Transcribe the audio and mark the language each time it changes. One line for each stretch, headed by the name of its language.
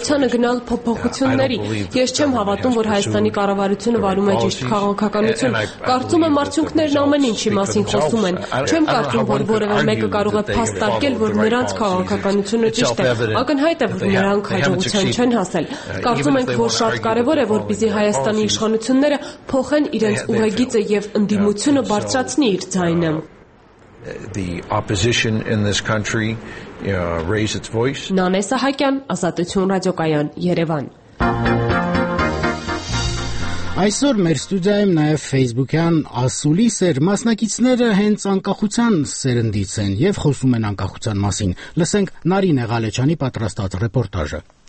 Armenian: կարողությանը գնալ փոփոխությունների։ Ես չեմ հավատում, որ Հայաստանի կառավարությունը վարում է ճիշտ քաղաքականություն։ Կարծում եմ, արդյունքներն ամեն ինչի մասին խոսում են։ Չեմ կարծում, որ որևէ մեկը կարող է փաստարկել, որ նրանց քաղաքականությունը ճիշտ է։ Ակնհայտ է, որ նրանք հաջողության չեն հասել։ Կարծում եմ, որ շատ կարևոր է, որպեսզի Հայաստանի իշխանությունները փոխեն իրենց ուղեգիծը եւ ընդդիմությունը բարձրացնի իր ձայնը։
English: The opposition in this country raise its voice.
Armenian: Նանեսա Հակյան, Ազատություն ռադիոկայան, Երևան։ Այսօր մեր ստուդիայում նաև Facebook-յան ասուլի սեր մասնակիցները հենց անկախության սերնդից են եւ խոսում են անկախության մասին։ Լսենք Նարին Եղալեչանի պատրաստած ռեպորտաժը։